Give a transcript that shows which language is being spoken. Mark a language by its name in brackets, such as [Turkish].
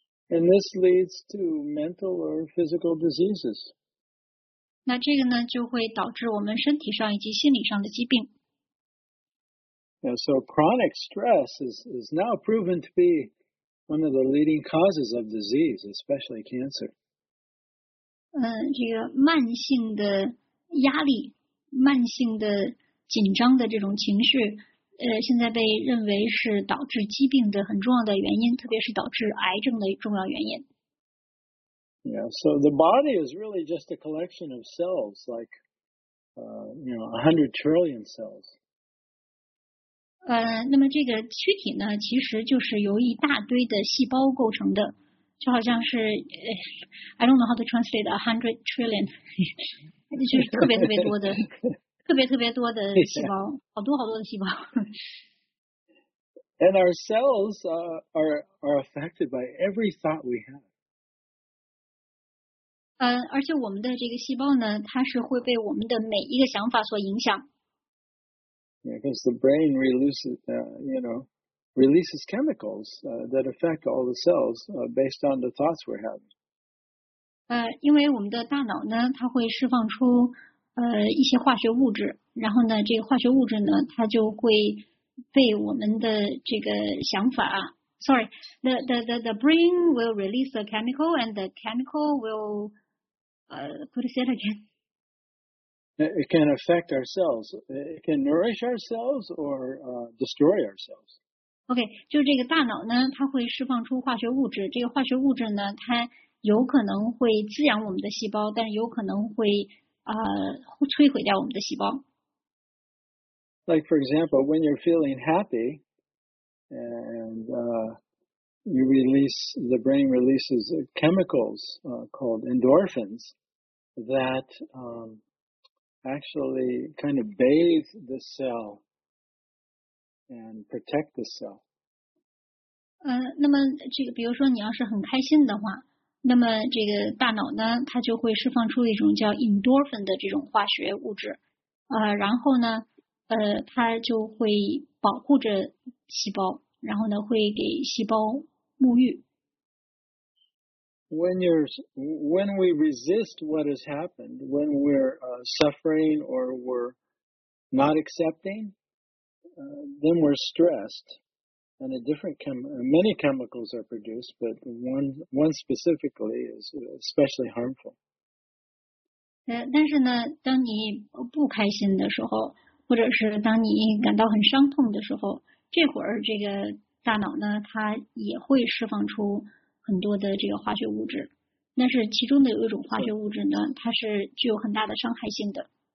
[English] And this leads to mental or physical diseases. [Chinese] 那这个呢，就会导致我们身体上以及心理上的疾病。 [English] Yeah, so chronic stress is now proven to be. One of the leading causes of disease, especially cancer. [Chinese] 这个慢性的压力，慢性的紧张的这种情绪，现在被认为是导致疾病的很重要的原因，特别是导致癌症的重要原因。 [English] Yeah, so the body is really just a collection of cells, like, you know, 100 trillion cells. [Chinese] 那么这个躯体呢，其实就是由一大堆的细胞构成的，就好像是 [English] I don't know how to translate 100 trillion， [Chinese] 就是特别特别多的，特别特别多的细胞，好多好多的细胞。 [English] And our cells are affected by every thought we have. [Chinese] 而且我们的这个细胞呢，它是会被我们的每一个想法所影响。 [English] Because the brain releases chemicals that affect all the cells based on the thoughts we're having. [Chinese] 因为我们的大脑呢，它会释放出一些化学物质，然后呢，这个化学物质呢，它就会被我们的这个想法。 [English] Sorry, the brain will release a chemical, and the chemical will could you say it again? It can affect ourselves. It can nourish ourselves or destroy ourselves. [Chinese] Okay, 就这个大脑呢，它会释放出化学物质。这个化学物质呢，它有可能会滋养我们的细胞，但有可能会摧毁掉我们的细胞。 [English] Like for example, when you're feeling happy, and you release, the brain releases chemicals called endorphins that actually kind of bathe the cell and protect the cell. [Chinese] 那么这个比如说你要是很开心的话，那么这个大脑呢，它就会释放出一种叫 endorphin 的这种化学物质，然后呢，它就会保护着细胞，然后呢，会给细胞沐浴。 [English] When we resist what has happened, when we're suffering or we're not accepting, then we're stressed. And a different many chemicals are produced, but one specifically is especially harmful. [Chinese] 但是呢，当你不开心的时候，或者是当你感到很伤痛的时候，这会儿这个大脑呢，它也会释放出很多的这个化学物质。但是其中的有一种化学物质呢，它是具有很大的伤害性的。